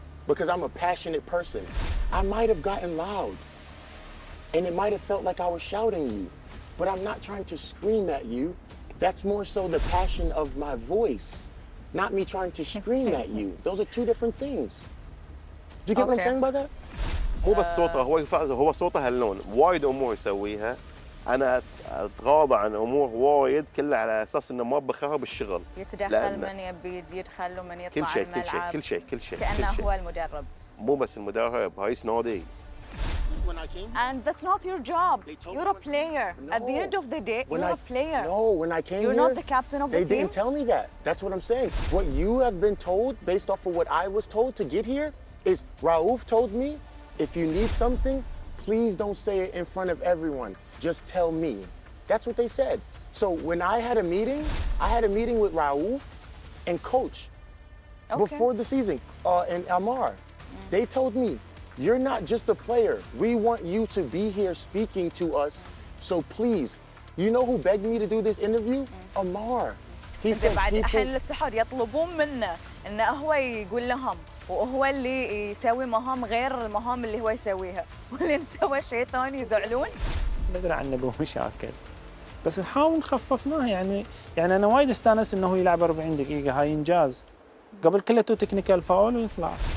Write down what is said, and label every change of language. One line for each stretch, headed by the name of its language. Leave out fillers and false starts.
English: Because I'm a passionate person. I might have gotten loud and it might have felt like I was shouting you, but I'm not trying to scream at you. That's more so the passion of my voice, not me trying to scream at you. Those are two different things. Do you get what I'm saying by that?
Arabic: هو بس صوته، هو صوته هاللون، وايد امور يسويها. انا اتغاضى عن امور وايد كلها على اساس انه ما بخرب الشغل. يتدخل من يبي يدخل ومن يطلع كل شيء كل شيء كل شيء كل شيء. كأنه هو المدرب. مو بس المدرب، هاي سنودي.
English: And that's not your job. You're a player. At the end of the day, you're a player. No, when I came here, you're not the captain of the team. They didn't tell me that. That's what I'm saying. What you have been told based off of what I was told to get here is Raouf told me, if you need something, please don't say it in front of everyone. Just tell me. That's what they said. So when I had a meeting with Raouf and coach before the season and Amar. They told me, you're not just a player. We want you to be here speaking to us. So please, you know who begged me to do this interview? Amar. He said
Arabic: بعد أهل الاتحاد يطلبون منه إنه هو يقول لهم وهو اللي يسوي مهام غير المهام اللي هو يسويها. واللي نسوى شيء ثاني يزعلون. ندري عنه بمشاكل. بس نحاول خففناه يعني. يعني أنا وايد استانس إنه يلعب 40 دقيقة، هاي إنجاز. قبل كله تو تكنيكال فاول ويطلع.